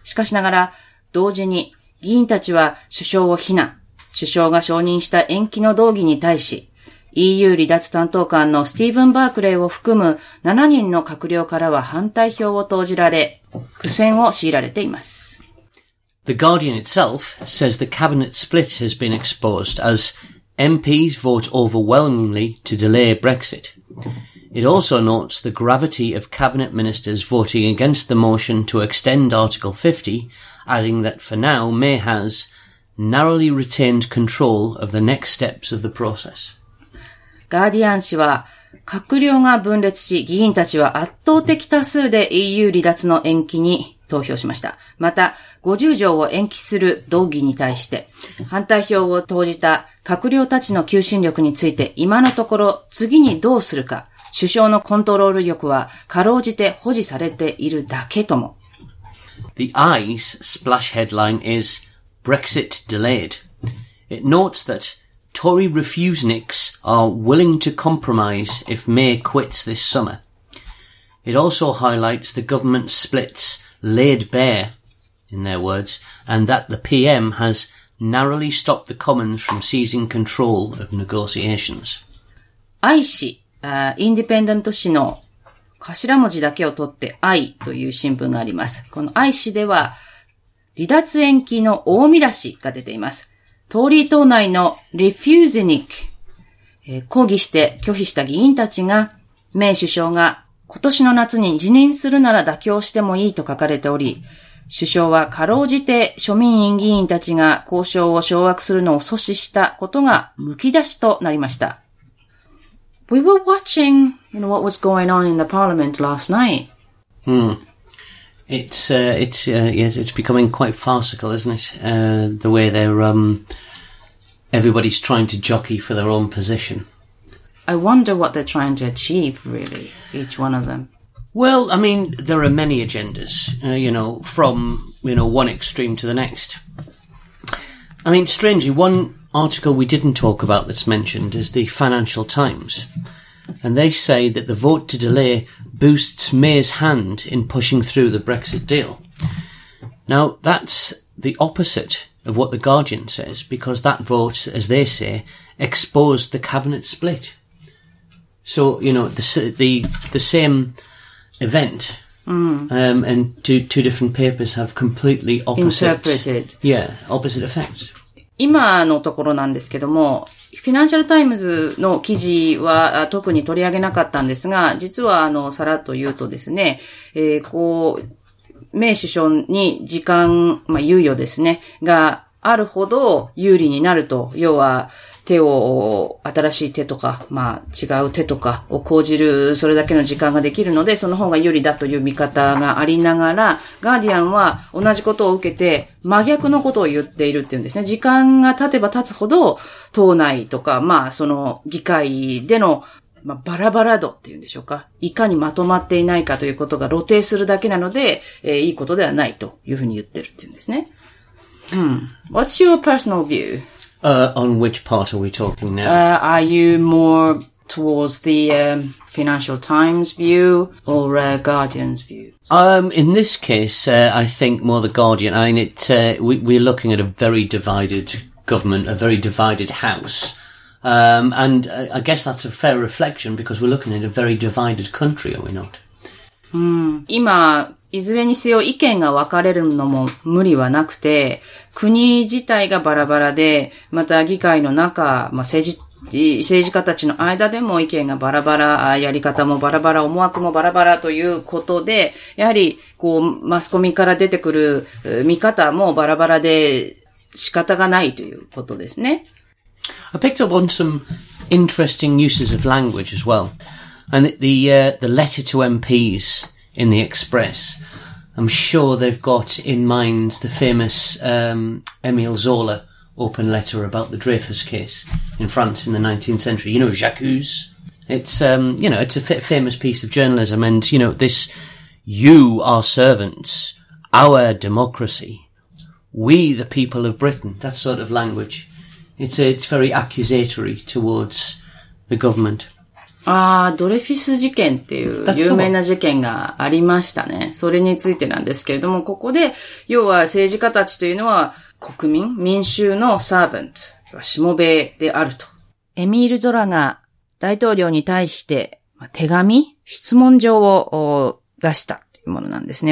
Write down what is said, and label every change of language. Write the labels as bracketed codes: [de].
[ja] しかしながら、同時に議員たちは首相を非難、首相が承認した延期の動議に対し、EU 離脱担当官のスティーブン・バークレイを含む7人の閣僚からは反対票を投じられ、苦戦を強いられています。 [en] The Guardian itself says the cabinet split has been exposed as MPs vote overwhelmingly to delay Brexit. It also notes the gravity of cabinet ministers voting against the motion to extend Article 50, adding that for now May has narrowly retained control of the next steps of the process. [ja] ガーディアン氏は、閣僚が分裂し、議員たちは圧倒的多数で EU 離脱の延期に投票しました。また、50条を延期する動議に対して、反対票を投じた閣僚たちの求心力について、今のところ次にどうするか、首相のコントロール力はかろうじて保持されているだけとも。 [en] The Eye's splash headline is Brexit delayed. It notes that Tory refuseniks are willing to compromise if May quits this summer. It also highlights the government splits laid bare, in their words, and that the PM has narrowly stopped the Commons from seizing control of negotiations. [ja] I 氏、インディペンデント氏の頭文字だけを取って I という新聞があります。この I 氏では離脱延期の大見出しが出ています。トーリー党内のリフューゼニック、抗議して拒否した議員たちが、メイ首相が今年の夏に辞任するなら妥協してもいいと書かれており、首相はかろうじて庶民院議員たちが交渉を掌握するのを阻止したことが剥き出しとなりました。 [en] We were watching, you know, what was going on in the parliament last night. Hmm. It's becoming quite farcical, isn't it? The way they're, everybody's trying to jockey for their own position. I wonder what they're trying to achieve, really, each one of them. Well, I mean, there are many agendas, you know, from, you know, one extreme to the next. I mean, strangely, one article we didn't talk about that's mentioned is the Financial Times. And they say that the vote to delay boosts May's hand in pushing through the Brexit deal. Now, that's the opposite of what The Guardian says, because that vote, as they say, exposed the cabinet split. So, you know, the same event, and two different papers have completely opposite... Interpreted. Yeah, opposite effects. [ja] 今のところなんですけども、フィナンシャルタイムズの記事は特に取り上げなかったんですが、実はさらっと言うとですね、こう、メイ首相に時間、まあ猶予ですね、があるほど有利になると、要は手を、新しい手とか、まあ違う手とかを講じる、それだけの時間ができるので、その方が有利だという見方がありながら、ガーディアンは同じことを受けて、真逆のことを言っているっていうんですね。時間が経てば経つほど、党内とか、まあその議会での、まあバラバラ度っていうんでしょうか。いかにまとまっていないかということが露呈するだけなので、いいことではないというふうに言ってるっていうんですね。 [en] What's your personal view? On which part are we talking now? Are you more towards the Financial Times view or Guardian's view? In this case, I think more the Guardian. I mean, we're looking at a very divided government, a very divided house. And I guess that's a fair reflection because we're looking at a very divided country, are we not? [ja] 今、いずれにせよ意見が分かれるのも無理はなくて、国自体がバラバラで、また議会の中、まあ、政治家たちの間でも意見がバラバラ、やり方もバラバラ、思惑もバラバラということで、やはり、こう、マスコミから出てくる見方もバラバラで仕方がないということですね。 [en] I picked up on some interesting uses of language as well. And the letter to MPs in the Express. I'm sure they've got in mind the famous Emile Zola open letter about the Dreyfus case in France in the 19th century. You know, j'accuse. It's, you know, it's a famous piece of journalism. And, you know, this, you are servants, our democracy, we the people of Britain, that sort of language. It's very accusatory towards the government. [ja] ああ、ドレフィス事件っていう有名な事件がありましたね。それについてなんですけれども、ここで、要は政治家たちというのは国民、民衆のサーヴァント、しもべであると。エミール・ゾラが大統領に対して手紙、質問状を出したというものなんですね。